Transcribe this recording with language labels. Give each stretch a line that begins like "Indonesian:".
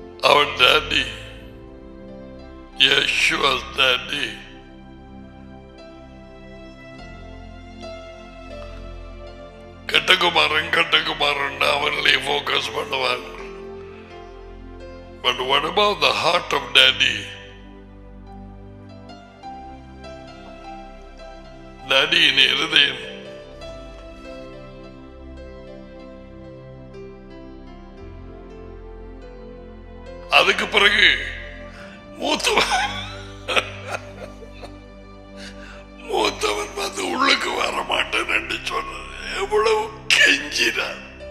English: Our daddy. Yeshua's daddy.
Tamil: கட்டகுமாரன் கட்டகுமாரன் அவர்களே focus பண்ணுவாங்க.
English: But what about the heart of daddy?
Tamil: அதுக்கு பிறகு மூத்தவன் வந்து உள்ளுக்கு வர மாட்டேன் என்று சொன்ன எவ்வளவு கெஞ்சினான்.